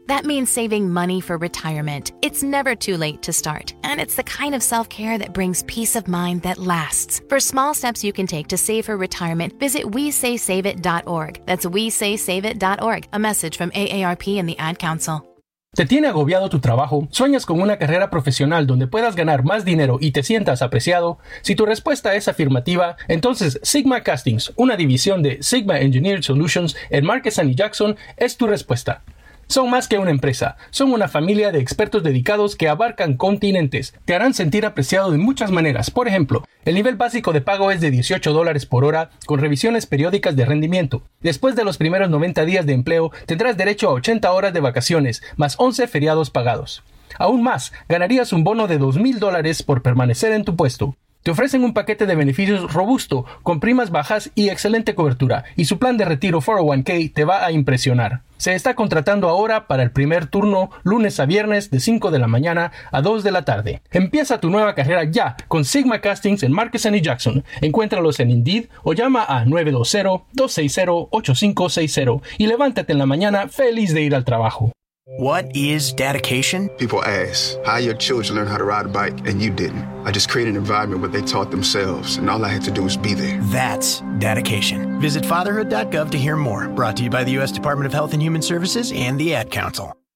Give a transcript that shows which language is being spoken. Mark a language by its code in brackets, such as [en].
[en] That means saving money for retirement. It's never too late to start. And it's the kind of self-care that brings peace of mind that lasts. For small steps you can take to save for retirement, visit WeSaySaveIt.org. That's WeSaySaveIt.org. A message from AARP and the Ad Council. [es] ¿Te tiene agobiado tu trabajo? ¿Sueñas con una carrera profesional donde puedas ganar más dinero y te sientas apreciado? Si tu respuesta es afirmativa, entonces Sigma Castings, una división de Sigma Engineered Solutions en Marquesan y Jackson, es tu respuesta. Son más que una empresa, son una familia de expertos dedicados que abarcan continentes. Te harán sentir apreciado de muchas maneras. Por ejemplo, el nivel básico de pago es de $18 por hora con revisiones periódicas de rendimiento. Después de los primeros 90 días de empleo, tendrás derecho a 80 horas de vacaciones más 11 feriados pagados. Aún más, ganarías un bono de $2,000 por permanecer en tu puesto. Te ofrecen un paquete de beneficios robusto, con primas bajas y excelente cobertura, y su plan de retiro 401k te va a impresionar. Se está contratando ahora para el primer turno, lunes a viernes, de 5 de la mañana a 2 de la tarde. Empieza tu nueva carrera ya con Sigma Castings en Marquesan y Jackson. Encuéntralos en Indeed o llama a 920-260-8560 y levántate en la mañana feliz de ir al trabajo. [en] What is dedication? People ask, how your children learn how to ride a bike and you didn't. I just created an environment where they taught themselves and all I had to do was be there. That's dedication. Visit fatherhood.gov to hear more. Brought to you by the U.S. Department of Health and Human Services and the Ad Council.